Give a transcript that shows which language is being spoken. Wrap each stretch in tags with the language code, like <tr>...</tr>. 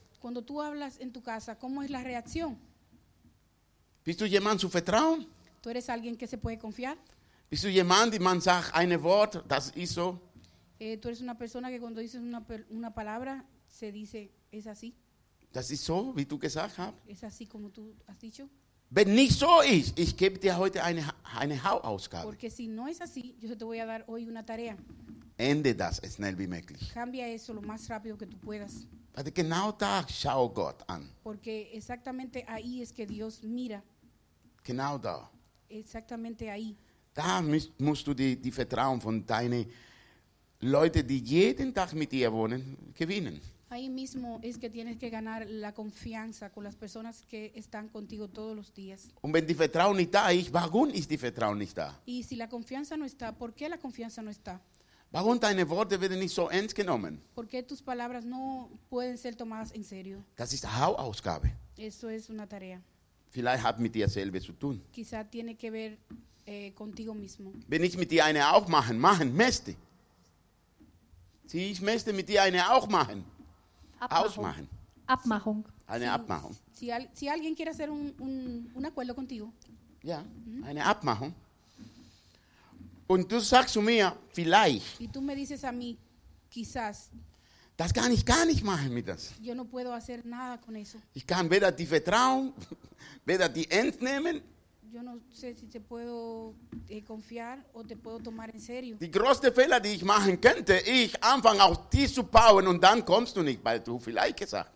<es>Cuando tú hablas en tu casa, ¿cómo es la reacción?</es> <de>Bist du jemand zu vertrauen?</de> <es>¿Tú eres alguien que se puede confiar?</es> <de>Bist du jemand, die man sagt, ein Wort, das ist so?</de> <es>Tú eres una persona que cuando dices una palabra, se dice, es así.</es> <de>Das ist so, wie du gesagt hast.</de> <es>Es así como tú has dicho.</es> <de>Wenn nicht so ist, ich gebe dir heute eine Hausaufgabe.</de> <es>Porque si no es así, yo te voy a dar hoy una tarea.</es> <de>Ende das, schnell wie möglich.</de> <es>Cambia eso lo más rápido que tú puedas.</es> <de>Weil genau da schau Gott an.</de> <es>Porque exactamente ahí es que Dios mira.</es> <de>Genau da.</de> <es>Exactamente ahí.</es> <de>Da musst du die Vertrauen von deinen Leute, die jeden Tag mit ihr wohnen, gewinnen.</de> <es>Ahí mismo es que tienes que ganar la confianza con las personas que están contigo todos los días.</es> <de>Und wenn die Vertrauen nicht da ist, warum ist die Vertrauen nicht da?</de> <es>Y si la confianza no está, ¿por qué la confianza no está?</es> <de>Warum deine Worte werden nicht so ernst genommen?</de> <es>¿Por qué tus palabras no pueden ser tomadas en serio?</es> <de>Das ist Hauptaufgabe.</de> <es>Eso es una tarea.</es> <de>Vielleicht hat mit dir selber zu tun.</de> <es>Quizá tiene que ver contigo mismo.</es> <de>Wenn ich mit dir eine auch machen möchte. Sie, ich möchte mit dir eine auch machen. Ausmachen. Abmachung. Eine Abmachung.</de> <es>Si alguien quiere hacer un acuerdo contigo.</es> <de>Ja, eine Abmachung. Und du sagst zu mir, vielleicht.</de> <es>Y tú me dices a mí, quizás.</es> <de>Das kann ich gar nicht machen mit das.</de> <es>Yo no puedo hacer nada con eso.</es> <de>Ich kann weder die vertrauen, weder die ernst nehmen.</de> <es>Yo no sé si te puedo confiar o te puedo tomar en serio.</es> <de>Die größte Fehler, die ich machen könnte, ich anfange auf dich zu bauen und dann kommst du nicht, weil du vielleicht gesagt.</de>